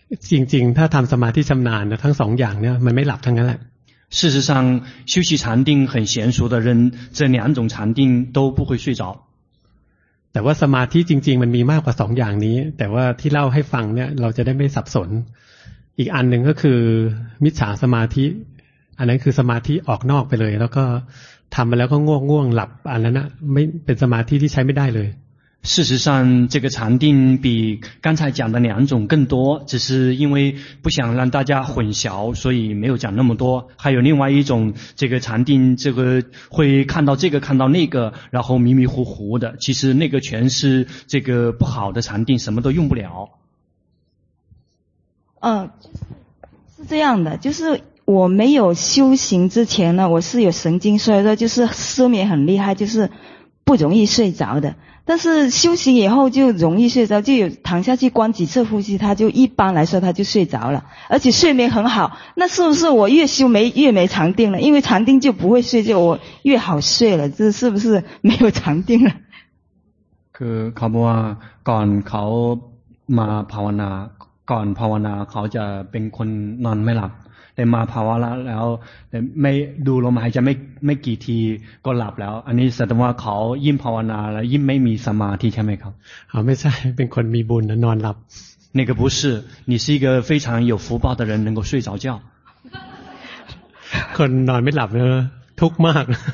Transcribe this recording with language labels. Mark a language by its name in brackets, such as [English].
[Thai] จริงๆถ้าทำสมาธิชำนาญนะทั้งสองอย่างเนี่ยมันไม่หลับทั้งนั้นแหละ [Chinese] 事实上修习禅定很娴熟的人这两种禅定都不会睡着 [Thai] แต่ว่าสมาธิจริงๆมันมีมากกว่าสองอย่างนี้แต่ว่าที่เล่าให้ฟังเนี่ยเราจะได้ไม่สับสนอีกอันหนึ่งก็คือมิจฉาสมาธิอันนั้นคือสมาธิออกนอกไปเลยแล้วก็ทำมาแล้วก็ง่วงหลับอันนั้นนะไม่เป็นสมาธิที่ใช้ไม่ได้เลย [Chinese] 事实上这个禅定比刚才讲的两种更多只是因为不想让大家混淆所以没有讲那么多还有另外一种这个禅定这个会看到这个看到那个然后迷迷糊糊的其实那个全是这个不好的禅定什么都用不了是这样的就是我没有修行之前呢我是有神经衰弱就是失眠很厉害就是不容易睡着的但是修行以后就容易睡着就有躺下去观几次呼吸他就一般来说他就睡着了而且睡眠很好那是不是我越修没越没禅定了因为禅定就不会睡觉我越好睡了这是不是没有禅定了 [Thai] คือเขาบอกว่าก่อนเขามาภาวนาก่อนภาวนาเขาจะเป็นคนนอนไม่หลับแต่มาภาวนาแล้วไม่ดูลมหายใจไม่กี่ทีก็หลับแล้วอันนี้แสดงว่าเขายิ่งภาวนาแล้วยิ่งไม่มีสมาธิใช่ไหมครับ ไม่ใช่เป็นคนมีบุญนอนหลับ [Chinese] 那个不是你是一个非常有福报的人能够睡着觉 [Thai] คนนอนไม่หลับเนอะทุกข์มาก